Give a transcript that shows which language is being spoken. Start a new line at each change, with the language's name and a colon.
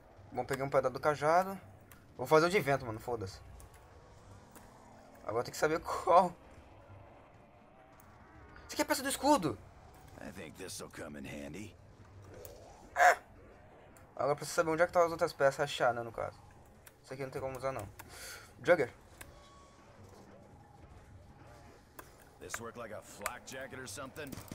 Portuguese: Bom, peguei um pedaço do cajado. Vou fazer o de vento, mano. Foda-se. Agora tem que saber qual. Que é a peça do escudo?
English: I think this'll come in handy. Ah!
Portuguese: Agora preciso saber onde é que estão as outras peças, achar, né, no caso. Isso aqui não tem como usar, não. Jugger.
English: This work like a flak jacket or something?